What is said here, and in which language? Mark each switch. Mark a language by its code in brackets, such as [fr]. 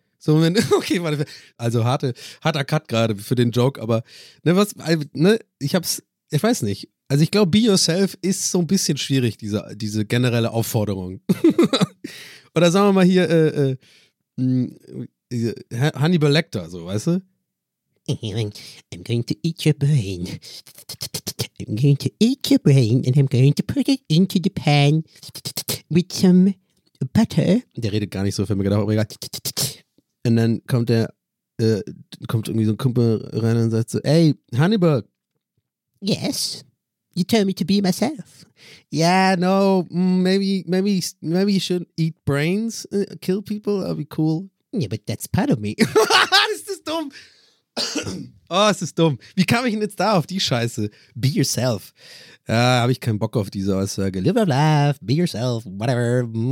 [de] So, wenn, okay, warte, also harter Cut gerade für den Joke, aber ne, was, ne, ich weiß nicht. Also ich glaube, [en] be yourself [de] ist so ein bisschen schwierig, diese generelle Aufforderung. Oder sagen wir mal hier, Hannibal Lecter, so, weißt du? [en] I'm going to eat your brain. I'm going to eat your brain and I'm going to put it into the pan with some butter. [de] Der redet gar nicht so, für mich gedacht, aber egal. Und dann kommt der, kommt irgendwie so ein Kumpel rein und sagt so, ey, Hannibal. [en] Yes, you told me to be myself. Yeah, no, maybe you shouldn't eat brains, kill people, that'd be cool. Yeah, but that's part of me. [de] Das ist dumm. Oh, es ist dumm. Wie kam ich denn jetzt da auf die Scheiße? [en] Be yourself. [de] Ja, habe ich keinen Bock auf diese Aussage. [en] Live your life, be yourself, whatever.